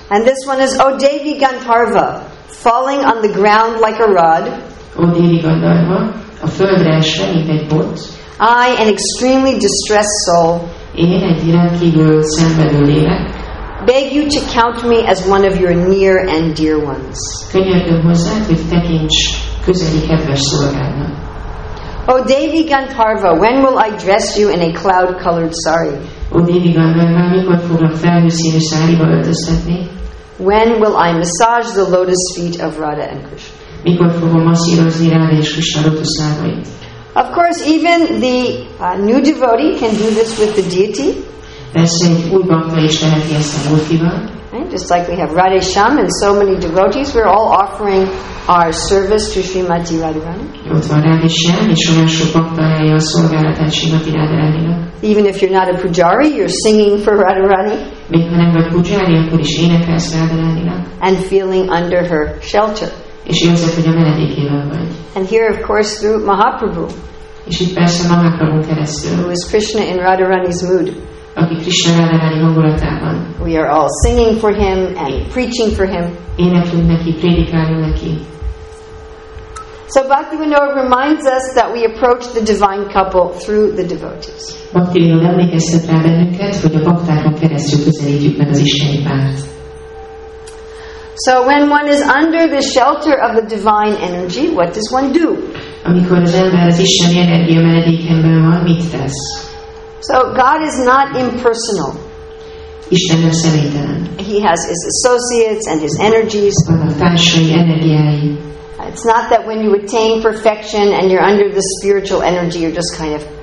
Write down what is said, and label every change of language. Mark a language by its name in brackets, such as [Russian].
[English] And this one is, O Devi Gandharva, falling on the ground like a rod. [Hungarian] O Devi Gandharva, a földre esve, mint egy bot. [English] I, an extremely distressed soul, [Hungarian] én egy rendkívül szenvedő lélek, [English] beg you to count me as one of your near and dear ones. [Hungarian] Könyörgöm hozzád, hogy tekints közeli kedves szolgálnak. [English] O Devi Gandharva, when will I dress you in a cloud-colored sari? [Hungarian] O Devi Gandharva, mikor fogok felhőszínű sáriba öltöztetni? [English] When will I massage the lotus feet of Radha and Krishna? [Hungarian] Mikor fogom masszírozni Radha és Krishna lotus lábait? [English] Of course, even the new devotee can do this with the deity. [Hungarian] Persze, egy új bhakta is teheti ezt a úrfival. [English] Just like we have Radhesham and so many devotees, we're all offering our service to Srimati Radharani. [Hungarian] Ott van Radhesham, és olyan sok bhakta helye a szolgálatát Srimati Radharaninak. [English] Even if you're not a pujari, you're singing for Radharani. [Hungarian] Még ha nem vagy pujari, akkor is énekelsz Radharaninak. [English] And feeling under her shelter. [Hungarian] És érzed, hogy a menedékében vagy. [English] And here, of course, through Mahaprabhu. [Hungarian] És itt persze Mahaprabhu keresztül. [English] Who is Krishna in Radharani's mood. [Hungarian] Aki Krishna Radharani hangulatában. [English] We are all singing for him and preaching for him. [Hungarian] Éneklünk neki, prédikálunk neki. [English] So Bhaktivinoda reminds us that we approach the divine couple through the devotees. [Hungarian] Bhaktivinoda emlékeztet rá bennünket, hogy a baktákon keresztül közelítjük meg az isteni párt. [English] So when one is under the shelter of the divine energy, what does one do? [Hungarian] Amikor az ember az isteni energia menedékében van, mit tesz? [English] So God is not impersonal. [Hungarian] Isten nem személytelen. [English] He has his associates and his energies. [Hungarian] Vannak társai, energiái. [English] It's not that when you attain perfection and you're under the spiritual energy, you're just kind of